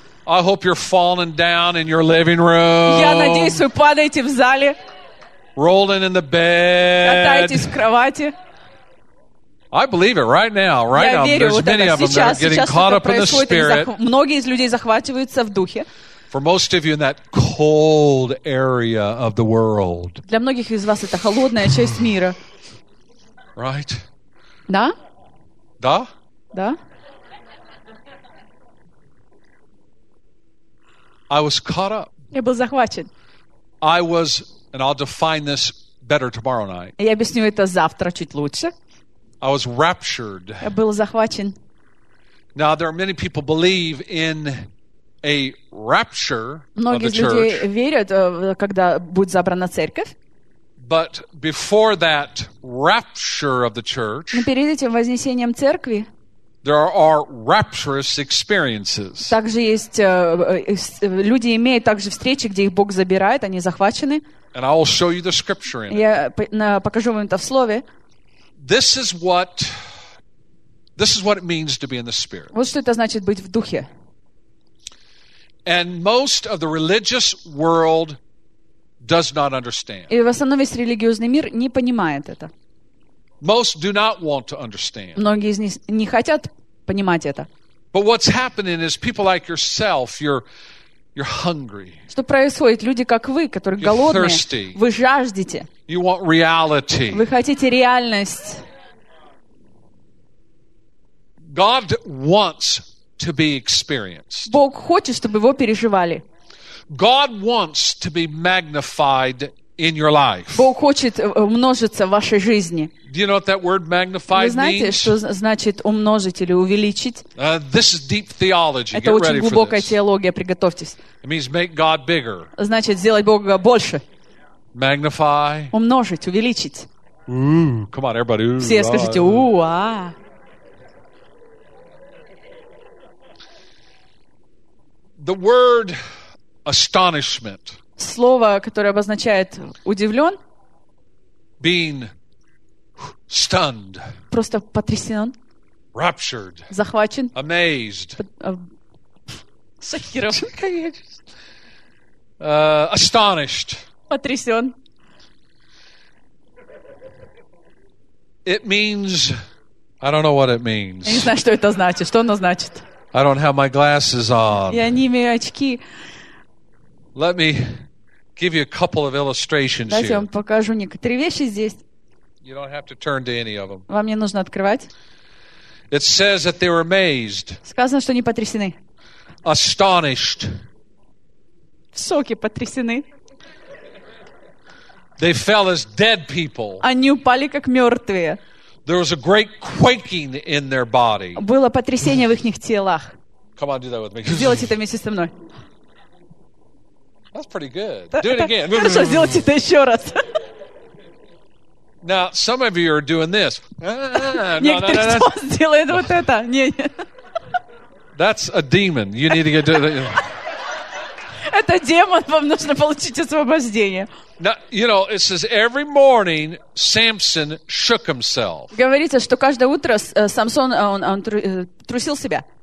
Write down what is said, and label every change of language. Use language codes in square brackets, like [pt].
[en] I hope you're falling down in your living room. [ru] Я надеюсь, вы падаете в зале. [en] Rolling in the bed. [ru] Катаетесь в кровати. [en] I believe it right now. Right [ru] Я [en] now, [ru] верю, [en] there's [ru] вот [en] many [ru] это. [en] Of them that are getting caught up in the spirit. [ru] Многие из людей захватываются в духе. [en] For most of you in that cold area of the world. [ru] Для многих из вас это холодная часть мира. [en] Right? [ru] Да? Да? Да? [en] I was caught up. [ru] Я был захвачен. [en] I was, and I'll define this better tomorrow night. [ru] Я объясню это завтра чуть лучше. [en] I was raptured. [ru] Я был захвачен. [en] Now there are many people believe in a rapture of the church. [ru] Многие люди верят, когда будет забрана церковь. [en] But before that rapture of the church, [ru] но перед этим вознесением церкви, [en] there are rapturous experiences. [ru] Также есть люди имеют также встречи, где их Бог забирает, они захвачены. [en] And I will show you the scripture in it. [ru] Я покажу вам это в слове. [en] This is what it means to be in the spirit. [ru] Вот что это значит быть в духе. [en] And most of the religious world does not understand. [ru] И в основном весь религиозный мир не понимает это. [en] Most do not want to understand. [ru] Многие из них не хотят понимать это. [en] But what's happening is people like yourself, you're hungry. [ru] Что происходит? Люди как вы, которые голодные, вы жаждете. [en] You want reality. [ru] Вы хотите реальность. [en] God wants to be experienced. [ru] Бог хочет, чтобы его переживали. [en] God wants to be magnified in your life. [ru] Бог хочет умножиться в вашей жизни. [en] Do you know what that word magnified means? [ru] Вы знаете, что значит умножить или увеличить? [en] This is deep theology. [ru] Это очень глубокая теология. Приготовьтесь. [en] It means make God bigger. [ru] Значит сделать Бога больше. [en] Magnify. [ru] Умножить, увеличить. [en] Ooh, come on, everybody. Ooh, [ru] все скажите, ууа. [en] The word astonishment. [ru] Слово, которое обозначает удивлен. [en] Being stunned. [ru] Просто потрясен. [en] Raptured. [ru] Захвачен. [en] Amazed. [ru] Шокирован. [en] Astonished. [ru] Потрясен. [en] It means, I don't know what it means. [ru] Я не знаю, что это значит. Что оно значит? [en] I don't have my glasses on. [ru] Я не имею очки. [en] Let me give you a couple of illustrations here. [ru] Дайте я вам покажу некоторые вещи здесь. [en] You don't have to turn to any of them. [ru] Вам не нужно открывать. [en] It says that they were amazed. [ru] Сказано, что они потрясены. [en] Astonished. [ru] В шоке потрясены. [en] They fell as dead people. [ru] Они упали как мертвые. [en] There was a great quaking in their body. [ru] Было потрясение в их телах. [en] Come on, do that with me. [ru] Сделайте это вместе со мной. [en] That's pretty good. Do it again. [ru] Хорошо, сделайте это еще раз. [en] Now, some of you are doing this. [ru] Некоторые из вас делают вот это. [en] That's a demon. You need to get to it. [ru] Это демон, вам нужно получить освобождение. [en] Now, you know, it says every morning Samson shook himself. [ru] Говорится, что каждое утро Самсон он трусил себя.